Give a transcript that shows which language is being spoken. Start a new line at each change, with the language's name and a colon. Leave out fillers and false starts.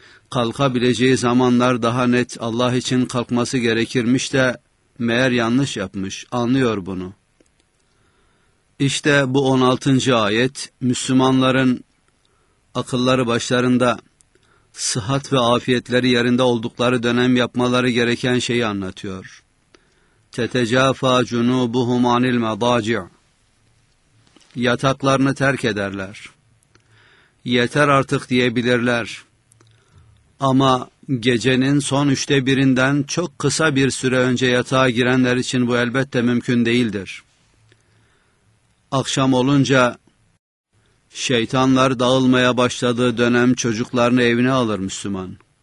Turkish: Kalkabileceği zamanlar daha net, Allah için kalkması gerekirmiş de meğer yanlış yapmış, anlıyor bunu. İşte bu 16. ayet, Müslümanların akılları başlarında, sıhhat ve afiyetleri yerinde oldukları dönem yapmaları gereken şeyi anlatıyor.
Arabic: تَتَجَافَى جُنُوبُهُمْ عَنِ الْمَضَاجِعِ
Turkish: Yataklarını terk ederler. Yeter artık diyebilirler. Ama gecenin son üçte birinden çok kısa bir süre önce yatağa girenler için bu elbette mümkün değildir. Akşam olunca şeytanlar dağılmaya başladığı dönem çocuklarını evine alır Müslüman.